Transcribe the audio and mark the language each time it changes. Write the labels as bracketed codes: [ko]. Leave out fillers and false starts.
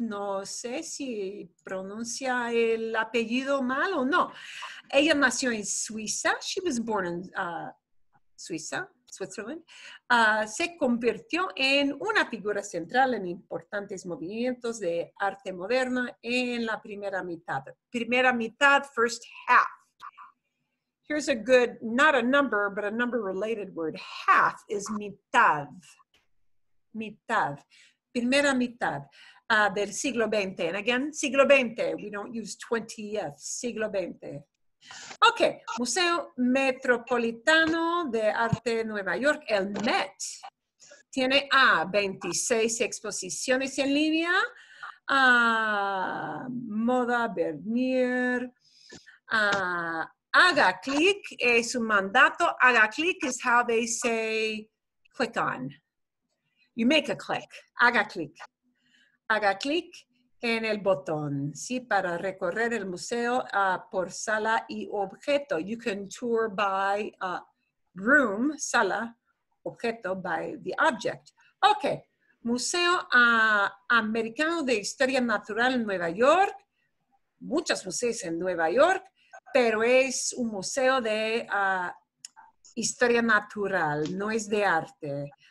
[es] No sé si pronuncia el apellido mal o no. Ella nació en Suiza. [en] She was born in Suiza. [es] Switzerland, se convirtió en una figura central en importantes movimientos de arte moderno en la primera mitad. Primera mitad, [en] first half. Here's a good, not a number, but a number related word. Half is mitad. Mitad. [es] Primera mitad del siglo XX. [en] And again, [es] siglo XX. [en] We don't use 20th. [es] Siglo XX. Okay, Museo Metropolitano de Arte de Nueva York, el MET, tiene 26 exposiciones en línea, moda, vernier, haga clic, es un mandato, haga clic [en] is how they say click on, you make a click, [es] haga clic, haga clic. En el botón, sí, para recorrer el museo por sala y objeto. [en] You can tour by room, sala, objeto, by the object. [es] Okay, Museo Americano de Historia Natural en Nueva York. Muchos museos en Nueva York, pero es un museo de historia natural, no es de arte.